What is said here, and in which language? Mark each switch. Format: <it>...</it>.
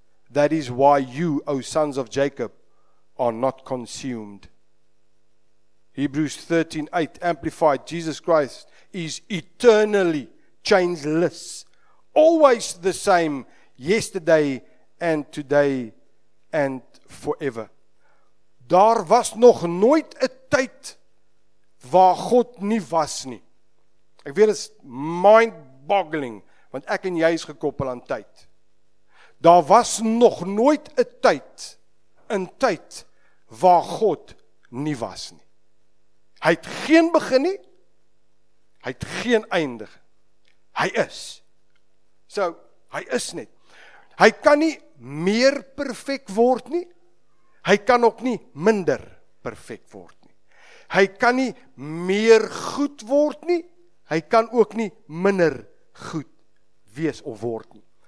<en>That is why you, O sons of Jacob, are not consumed. Hebrews 13:8 Amplified, Jesus Christ is eternally changeless, always the same yesterday and today and forever.</en> <af>Daar was nog nooit 'n tyd waar God nie was nie. Ek weet, dit is mind-boggling, want ek en jy is gekoppel aan tyd. Daar was nog nooit 'n tyd, in tyd, waar God nie was nie. Hy het geen begin nie, hy het geen einde. Hy is. So, hy is net. Hy kan nie meer perfect word nie, hy kan ook nie minder perfect word nie. Hy kan nie meer goed word nie, hy kan ook nie minder goed wees of word nie.</af>